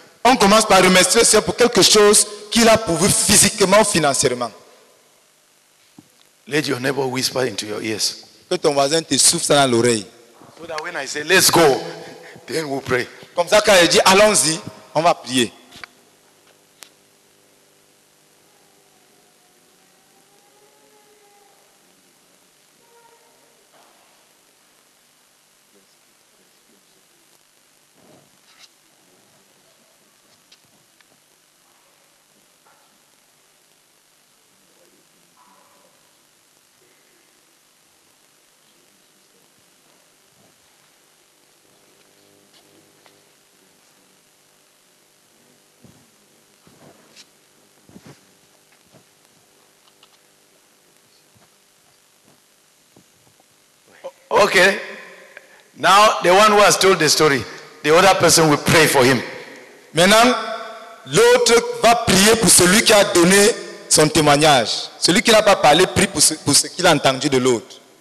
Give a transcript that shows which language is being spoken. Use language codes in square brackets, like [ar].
[fr] On commence par remercier le Seigneur pour quelque chose qu'il a pourvu physiquement, financièrement. [en] Let your neighbor whisper into your ears. [fr] Que ton voisin te souffle ça dans l'oreille. [en] So that when I say, let's go, then we'll pray. [fr] Comme ça, quand il dit, allons-y, on va prier. [en] Okay, now the one who has told the story, the other person will pray for him. [fr] Maintenant, l'autre va prier pour celui qui a donné son témoignage. Celui qui n'a pas parlé, prie pour ce qu'il a entendu de l'autre.